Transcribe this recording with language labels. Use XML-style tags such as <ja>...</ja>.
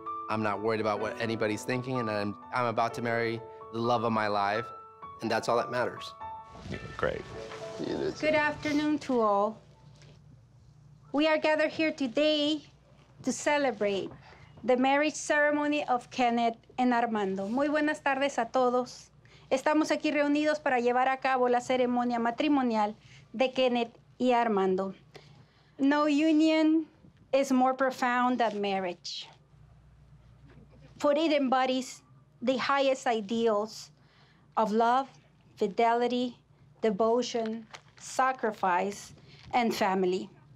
<en>I'm not worried about what anybody's thinking, and I'm about to marry the love of my life, and that's all that matters. Yeah, great. Good afternoon to all. We are gathered here today to celebrate the marriage ceremony of Kenneth and Armando.</en> <es>Muy buenas tardes a todos. Estamos aquí reunidos para llevar a cabo la ceremonia matrimonial de Kenneth y Armando.</es> <en>No union is more profound than marriage, for it embodies the highest ideals of love, fidelity, devotion, sacrifice, and family.</en>